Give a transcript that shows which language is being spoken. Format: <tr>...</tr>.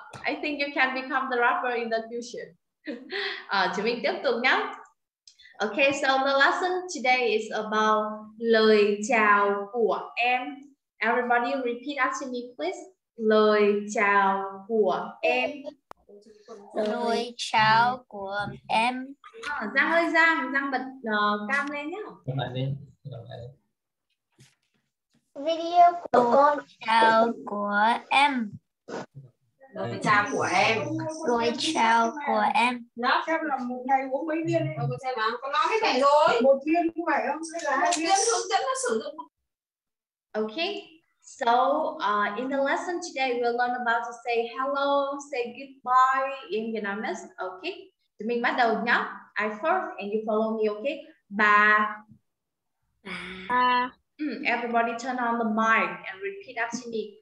<en>I think you can become the rapper in the future.</en> <vi>Chúng mình tiếp tục nhé.</vi> <en>Okay, so the lesson today is about</en> <vi>lời chào của em.</vi> <en>Everybody repeat after me, please.</en> <vi>Lời chào của em. Lời chào của em. Giang ơi Giang, Giang bật cam lên nhé. Video của con. Chào của em. Lời chào của em. Lời chào của em. Nó xem là một ngày uống mấy viên ấy. Cô sẽ bán. Cô nói cái này rồi. Một viên cũng phải không? Hay là hai viên? Một viên hướng dẫn nó sử dụng.</vi> <en>Okay. So in the lesson today, we'll learn about to say hello, say goodbye in Vietnamese. Okay.</en> <vi>Thì mình bắt đầu nhá.</vi> <en>I first and you follow me. Okay. Ba.</en> <vi>Ba.</vi> <en>Everybody turn on the mic and repeat after me.</en>